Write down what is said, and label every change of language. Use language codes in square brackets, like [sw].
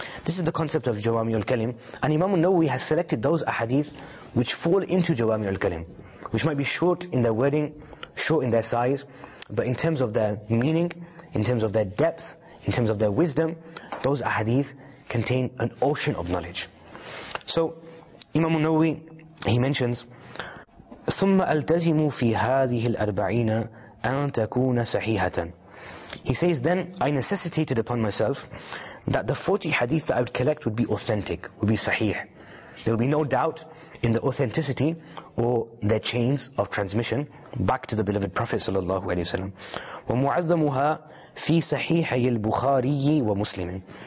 [en] This is the concept of Jawami'ul Kalim. And Imam Nawawi has selected those ahadith which fall into Jawami'ul Kalim, which might be short in their wording, short in their size, but in terms of their meaning, in terms of their depth, in terms of their wisdom, those ahadith contain an ocean of knowledge. So Imam Nawawi, he mentions, [ar] ثُمَّ أَلْتَزِمُوا فِي هَذِهِ الْأَرْبَعِينَ أَن تَكُونَ صَحِيحَةً. [en] He says, then I necessitated upon myself that the 40 hadith that I would collect would be authentic, would be sahih. There would be no doubt in the authenticity or their chains of transmission back to the beloved Prophet sallallahu alaihi wasallam. [ar] وَمُعَظَّمُهَا فِي صَحِيحَيِ الْبُخَارِيِّ وَمُسْلِمٍ.